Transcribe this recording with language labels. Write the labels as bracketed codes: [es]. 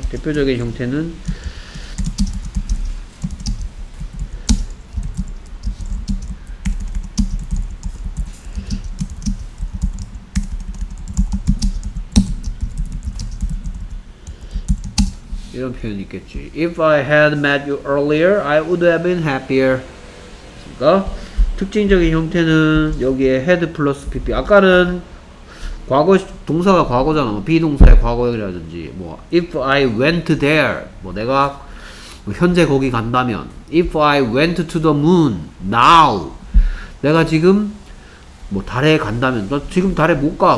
[ko] 대표적인 형태는 이런 표현이 있겠지. [en] If I had met you earlier, I would have been happier. [ko] 그러니까 특징적인 형태는 여기에 had 플러스 pp. 아까는 과거 동사가 과거잖아. be 동사의 과거형이라든지 뭐 [en] if I went there, [ko] 뭐 내가 현재 거기 간다면, [en] if I went to the moon now, [ko] 내가 지금 뭐 달에 간다면, 너 지금 달에 못 가.